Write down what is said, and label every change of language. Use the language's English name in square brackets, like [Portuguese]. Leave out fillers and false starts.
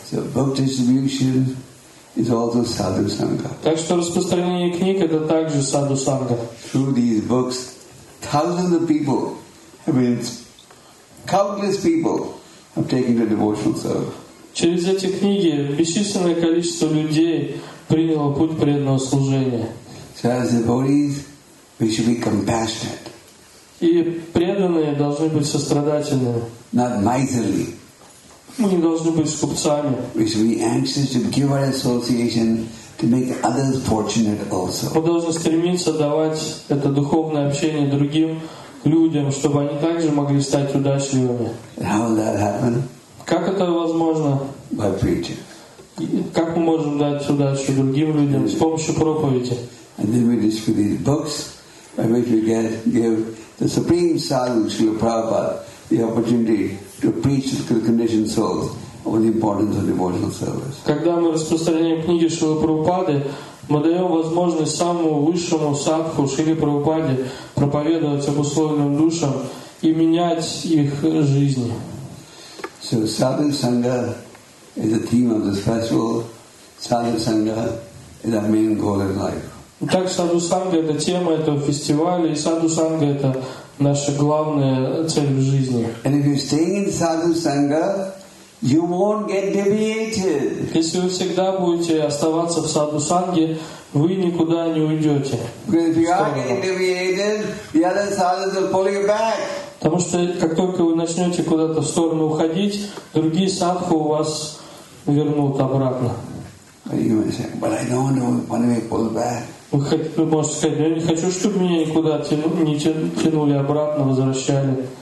[English] So book distribution is also sadhu sangha. [Russian] Так что распространение книг это также саду санга. [English] Through these books, thousands of people have been, countless people. I'm taking the devotional service. [Russian] Через эти книги бесчисленное количество людей приняло путь преданного служения. [English] So as devotees, we should be compassionate. [Russian] И преданные должны быть сострадательными. [English] Not miserly. [Russian] Мы не должны быть скупцами. [English] We should be anxious to give our association to make others fortunate also. [Russian] Мы должны стремиться давать это духовное общение другим людям, чтобы они также могли стать удачливыми. [English] How will that happen? [Russian] Как это возможно? [English] By preaching. [Russian] Как мы можем дать удачу другим людям? С помощью проповеди. [English] And then we distribute these books by which we give the supreme sadhu, Srila Prabhupada, the opportunity to preach to the conditioned souls over the importance of devotional service. [Russian] Когда мы распространяем книги Шрилы Прабхупады, мы даем возможность самому высшему садху Шриле Прабхупаде проповедовать об условленных душах и менять их жизни. [English] So sadhu sangha is the theme of this festival. Sadhu sangha is our main goal in life. [Russian] Так sadhu sangha это тема этого фестиваля, и sadhu sangha это наша главная цель в жизни. [English] And if you're staying in sadhu sangha, you won't get deviated. [Russian] Если вы всегда будете оставаться в саду санги, вы никуда не уйдете. [English] Because if you are getting deviated, the other sadhus will pull you back. [Russian] Потому что как только вы начнете куда-то в сторону уходить, другие садху у вас вернут обратно. [English] You might say, but I don't know when we pull back. [Russian] Вы можете сказать: я не хочу, чтобы меня никуда не тянули обратно, возвращали.